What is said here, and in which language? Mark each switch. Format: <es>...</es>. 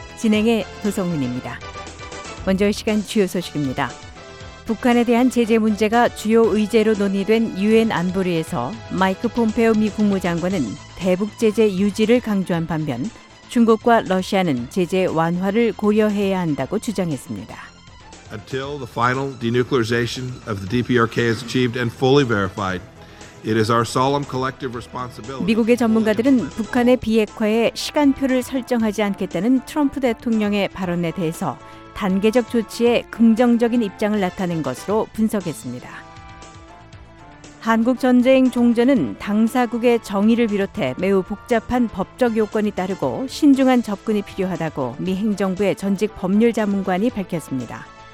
<ko>진행의 도성민입니다. 먼저 이 시간 주요 소식입니다. 북한에 대한 제재 문제가 주요 의제로 논의된 유엔 안보리에서 마이크 폼페오 미 국무장관은 대북 제재 유지를 강조한 반면 중국과 러시아는 제재 완화를 고려해야 한다고 주장했습니다.</ko> <en>Until the final denuclearization of the DPRK is achieved and fully verified, it is our solemn collective responsibility.</en> <ko>미국의 전문가들은 북한의 비핵화에 시간표를 설정하지 않겠다는 트럼프 대통령의 발언에 대해서 단계적 조치에 긍정적인 입장을 나타낸 것으로 분석했습니다. 한국전쟁 종전은 당사국의 정의를 비롯해 매우 복잡한 법적 요건이 따르고 신중한 접근이 필요하다고 미 행정부의 전직 법률 자문관이 밝혔습니다.</ko>